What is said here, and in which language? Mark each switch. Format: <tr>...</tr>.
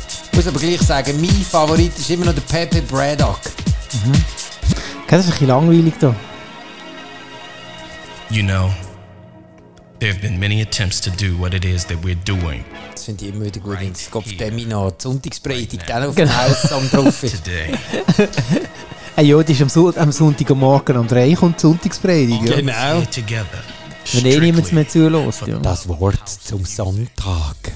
<de>Ich muss aber gleich sagen, mein Favorit ist immer noch der Pepe Braddock. Mhm. Das ist ein bisschen langweilig da.</de> <en>You know. There have been many attempts to do what it is that we're doing.</en> <de>Das finde ich immer wieder gut, wenn es Kopf Demino die Sonntagspredigt dann auf dem Haussong drauf ist. Ja, das ist am Sonntagmorgen um 3 kommt die Sonntagspredigt. Genau. Wenn eh niemand mehr zuhört. Ja. Das Wort zum Sonntag.</de>